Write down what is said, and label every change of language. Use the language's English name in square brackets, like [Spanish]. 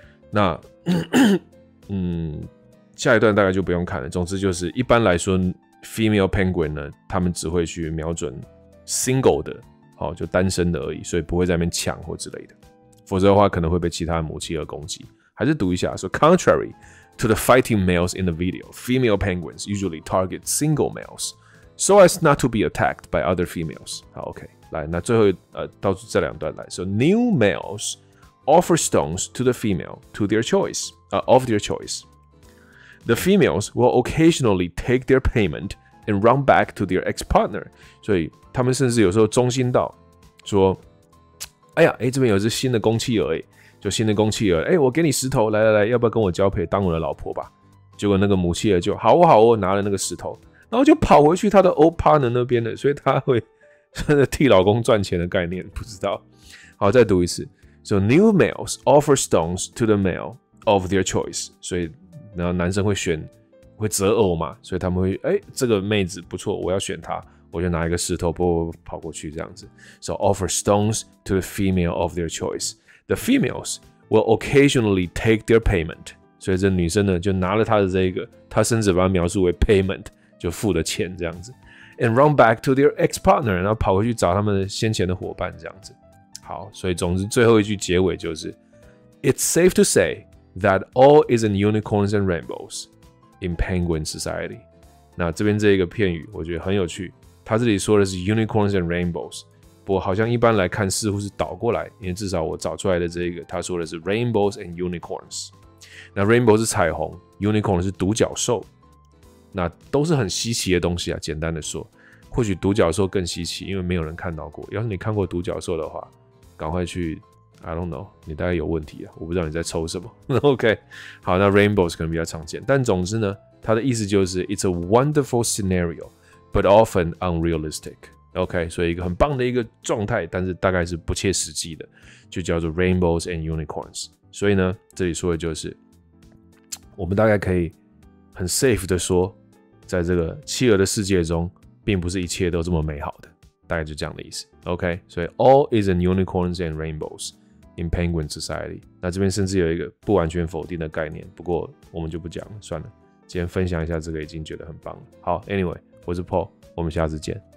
[Chinese] 那下一段大概就不用看了。总之就是一般来说 female penguin 呢他们只会去瞄准 single 的、哦、就单身的而已，所以不会在那边抢或之类的。否则的话可能会被其他的母企鹅攻击。还是读一下，说 [English] contrary to the fighting males in the video, female penguins usually target single males so as not to be attacked by other females. [Chinese] 好 ,OK, 来那最后到这两段来。 [English] So new males offer stones to the female to their choice,、of their choice. The females will occasionally take their payment and run back to their ex-partner. [Chinese] 所以他们甚至有时候忠心到说哎呀，哎，这边有只新的公企鹅，哎，就新的公企鹅，哎，我给你石头，来来来，要不要跟我交配，当我的老婆吧？结果那个母企鹅就好哦好哦，拿了那个石头，然后就跑回去他的 old partner 那边了，所以他会替老公赚钱的概念，不知道。好，再读一次 ， [English] So new males offer stones to the male of their choice， [Chinese] 所以然后男生会选会择偶嘛，所以他们会哎，这个妹子不错，我要选她。我就拿一个石头啵啵啵跑过去这样子。 [English] So offer stones to the female of their choice. The females will occasionally take their payment. [Chinese] 所以这女生呢就拿了她的这个，她甚至把它描述为 payment， 就付的钱这样子。 [English] And run back to their ex-partner， [Chinese] 然后跑回去找他们先前的伙伴这样子。好，所以总之最后一句结尾就是 [English] It's safe to say that all isn't unicorns and rainbows in penguin society. [Chinese] 那这边这一个片语我觉得很有趣。他这里说的是 unicorns and rainbows， 不过好像一般来看似乎是倒过来，因为至少我找出来的这个他说的是 rainbows and unicorns。那 rainbow 是彩虹， unicorn 是独角兽，那都是很稀奇的东西啊。简单的说，或许独角兽更稀奇，因为没有人看到过。要是你看过独角兽的话，赶快去 [English] I don't know， [Chinese] 你大概有问题啊，我不知道你在抽什么。 OK， 好，那 rainbows 可能比较常见，但总之呢，他的意思就是 [English] it's a wonderful scenarioBut often unrealistic. [Chinese] OK， 所以一个很棒的一个状态，但是大概是不切实际的，就叫做 rainbows and unicorns. 所以呢，这里说的就是，我们大概可以很 safe 的说，在这个企鹅的世界中，并不是一切都这么美好的，大概就这样的意思。 [English] OK， 所以 all isn't unicorns and rainbows in penguin society. [Chinese] 那这边甚至有一个不完全否定的概念，不过我们就不讲了，算了。今天分享一下这个已经觉得很棒了。好 ，Anyway。我是 Paul， 我们下次见。